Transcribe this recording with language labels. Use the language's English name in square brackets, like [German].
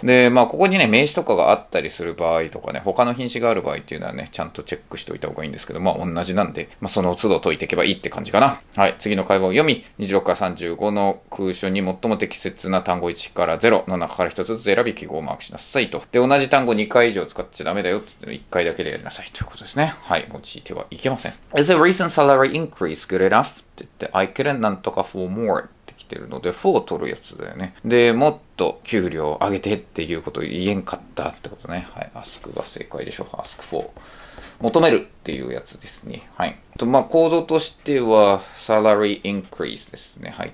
[Japanese] で、まあ、ここにね、名詞とかがあったりする場合とかね、他の品詞がある場合っていうのはね、ちゃんとチェックしておいた方がいいんですけど、まあ、同じなんで、まあ、その都度解いていけばいいって感じかな。はい。次の会話を読み、26から35の空所に最も適切な単語1から0の中から1つずつ選び、記号をマークしなさいと。で、同じ単語2回以上使っちゃダメだよって言って、1回だけでやりなさいということですね。はい。用いてはいけません。 [English] Is a recent salary increase good enough? [Japanese] って言って、 [English] I couldn't [Japanese] なんとか [English] for more [Japanese] って来てるので、for を取るやつだよね。で、もっと給料を上げてっていうことを言えんかったってことね。はい。 ask が正解でしょう。 ask for。求めるっていうやつですね。はい。まあ、構造としては、salary increase ですね。はい。